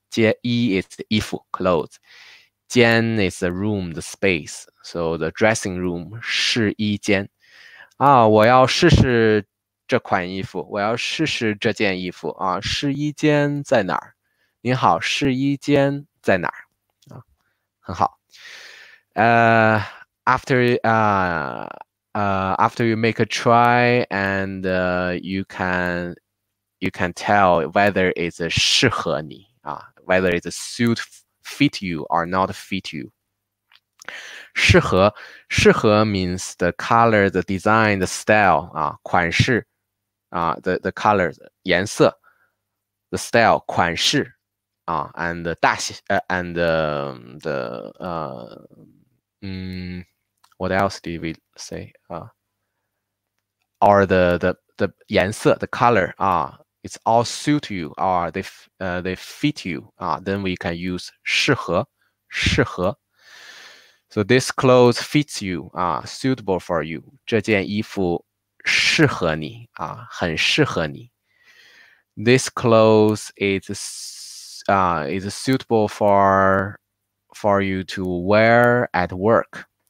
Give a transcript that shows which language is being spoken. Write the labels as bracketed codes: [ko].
[en] 衣 is the 衣服 clothes. 间 is the room, the space. So the dressing room 试衣间。 [zh] 啊，我要试试这款衣服，我要试试这件衣服啊。试衣间在哪儿？您好，试衣间在哪儿？啊，很好。 [en] After you make a try and you can tell whether it's [zh] 适合你啊， [en] whether it's fit you or not fit you。适合 means the color, the design, the style 啊，款式啊，the color 颜色，the style 款式啊，and 大小and the what else did we say or the 颜色, the color, it's all suit you, or they fit you, then we can use 适合. So this clothes fits you, suitable for you. [zh] 这件衣服适合你, 很适合你. [en] This clothes is suitable for you to wear at work.